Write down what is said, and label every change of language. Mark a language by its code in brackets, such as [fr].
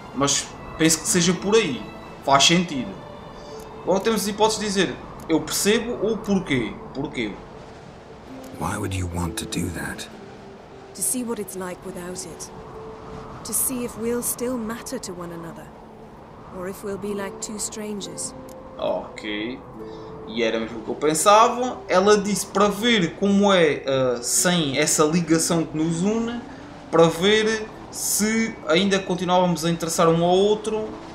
[pt] Mas penso que seja por aí, faz sentido. Agora temos a hipótese de dizer, eu percebo ou porquê? Porquê? [en] Why would you want to do that? To see what it's like without it. To see if we'll still matter to one another. Or if we'll be like two strangers. Ok. [pt] E era mesmo o que eu pensava. Ela disse para ver como é sem essa ligação que nos une. Para ver se ainda continuávamos a interessar um ao outro.